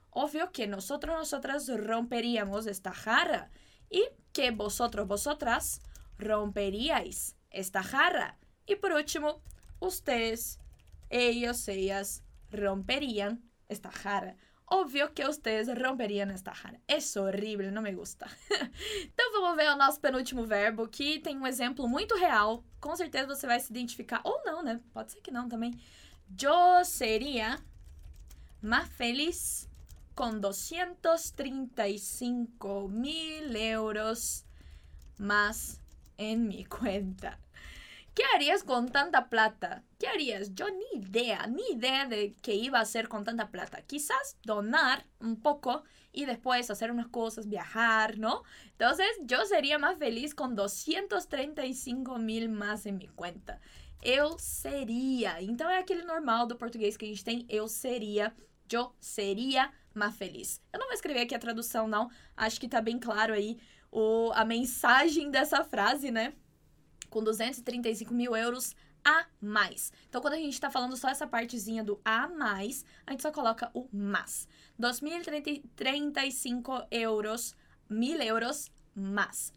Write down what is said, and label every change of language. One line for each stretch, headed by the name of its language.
Spanish: Obvio que nosotros o nosotras romperíamos esta jarra. Y que vosotros, vosotras romperíais esta jarra. Y por último, ustedes, ellos, ellas romperían esta jarra. Obvio que ustedes romperían esta jarra. Es horrible, no me gusta.
Portuguese: Então, vamos ver o nosso penúltimo verbo, que tem um exemplo muito real. Com certeza você vai se identificar. Ou não, né? Pode ser que não também.
Spanish: Yo sería más feliz con 235 mil euros más en mi cuenta. ¿Qué harías con tanta plata? ¿Qué harías? Yo ni idea de qué iba a hacer con tanta plata. Quizás donar un poco y después hacer unas cosas, viajar, ¿no? Entonces, yo sería más feliz con 235 mil más en mi cuenta.
Portuguese: Eu seria. Então, é aquele normal do português que a gente tem. Eu seria.
Spanish: Yo sería más feliz.
Portuguese: Eu não vou escrever aqui a tradução, não. Acho que tá bem claro aí a mensagem dessa frase, né? Com 235 mil euros a mais. Então, quando a gente está falando só essa partezinha do a mais, a gente só coloca o mas. 2.035 euros, mil euros mas.